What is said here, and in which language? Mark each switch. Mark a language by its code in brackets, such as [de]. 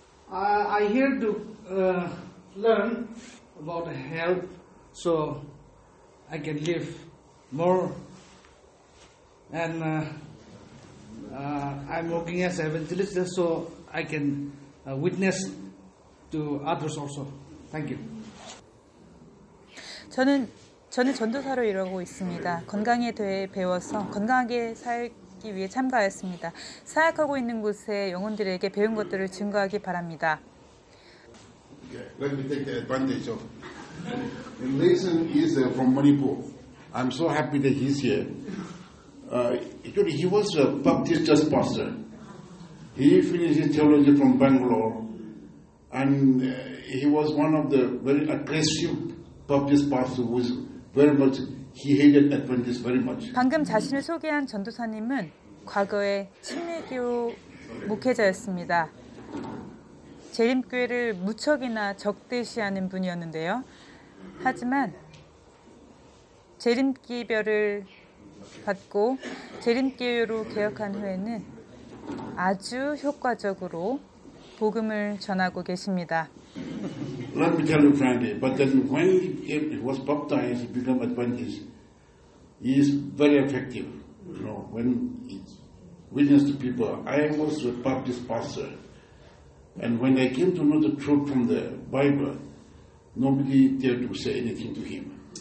[en] I here to learn about health so I can live more. And I'm working as an evangelist so I can witness to others also. Thank you. [ko] 저는 전도사로 일하고 있습니다. 건강에 대해 배워서 건강하게 살기 위해 참가하였습니다. 사역하고 있는 곳의 영혼들에게 배운 것들을 증거하기 바랍니다. [en] Let me take the advantage of. Lason is from Manipur. I'm so happy that he's here. He was a Baptist church pastor. He finished his theology from Bangalore. And he was one of the very aggressive Baptist pastors who was very much he hated Adventist very much. [ko] 방금 자신을 소개한 전도사님은 과거에 침례교 목회자였습니다. 재림교회를 무척이나 적대시하는 분이었는데요. 하지만 재림기별을 받고 재림교회로 개혁한 후에는 아주 효과적으로 복음을 전하고 계십니다. [en] Let me tell you frankly, but then when he was baptized, he became Adventist. He is very effective, you know, when he witnessed to people. I was a Baptist pastor, and when I came to know the truth from the Bible, nobody dared to say anything to him.